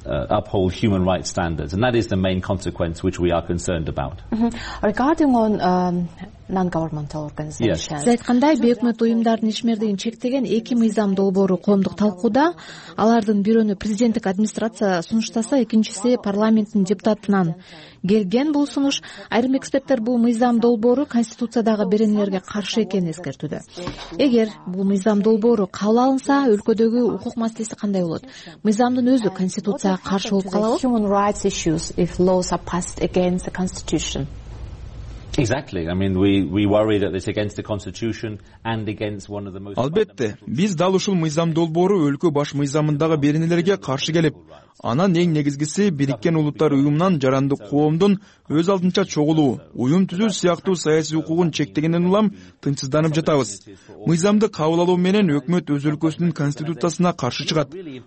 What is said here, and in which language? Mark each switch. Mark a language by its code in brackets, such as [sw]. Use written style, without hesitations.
[en] Uphold human rights standards, and that is the main consequence which we are concerned about. Regarding on non-governmental organizations. Yes. [ky] Айткандай, бекмет уюмдардын ишмердигин чектеген эки мыйзам долбоору коомдук талкууда, алардын бирөөнү президенттик администрация сунуштаса, экинчиси парламенттин депутатынан келген бул сунуш. Айрым эксперттер бул мыйзам долбоору конституциядагы беренелерге каршы экенин эскертүүдө. Эгер бул мыйзам долбоору кабыл алынса, өлкөдөгү укук маселеси кандай болот? Мыйзамдын өзү конституцияга каршы болуп калабы? [en] Human rights issues if laws are passed against the constitution. Exactly. I mean, we worry that it's against the constitution and against one of the most. [ky] Албетте, биз дал ушул мыйзам долбоору өлкө баш мыйзамындагы беренелерге каршы келип, анан эң негизгиси Бириккен Улуттар Уюмунан жарандык коомдун өз алдынча чогулуу, уюм түзүү сыяктуу саясий укугун чектегенден улам тынчсызданып жатабыз. Мыйзамды кабыл алуу менен өкмөт өз өлкөсүнүн конституциясына каршы чыгат.